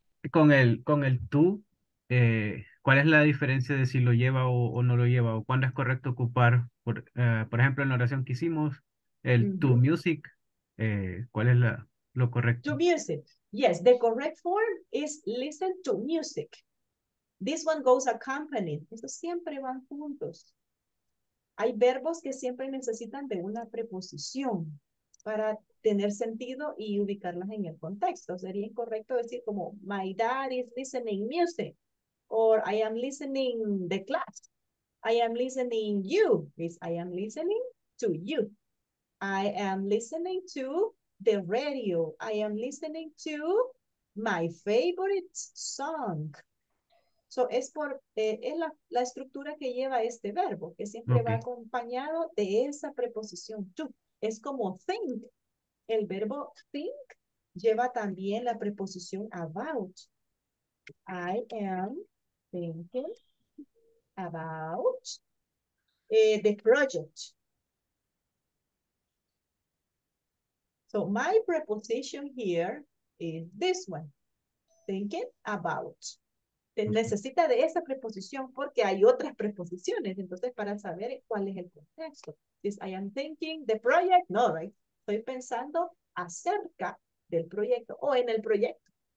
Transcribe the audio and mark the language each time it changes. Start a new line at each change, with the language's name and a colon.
Spanish: Con el tú, ¿cuál es la diferencia de si lo lleva o no lo lleva? ¿O cuándo es correcto ocupar, por ejemplo, en la oración que hicimos, el tú music? ¿Cuál es lo correcto?
English: To music. Yes, the correct form is listen to music. This one goes accompanied.
Spanish: Estos siempre van juntos. Hay verbos que siempre necesitan de una preposición para tener sentido y ubicarlas en el contexto. Sería incorrecto decir como,
English: my dad is listening music, or I am listening the class, I am listening you, is I am listening to you, I am listening to the radio, I am listening to my favorite song.
Spanish: So es por, es la estructura que lleva este verbo, que siempre okay. va acompañado de esa preposición to. Es como think. El verbo think lleva también la preposición about.
English: I am thinking about the project. So my preposition here is this one. Thinking about. Okay.
Spanish: Necesita de esa preposición porque hay otras preposiciones. Entonces, para saber cuál es el contexto.
English: Is I am thinking the project, no, right?
Spanish: Estoy pensando acerca del proyecto o en el proyecto.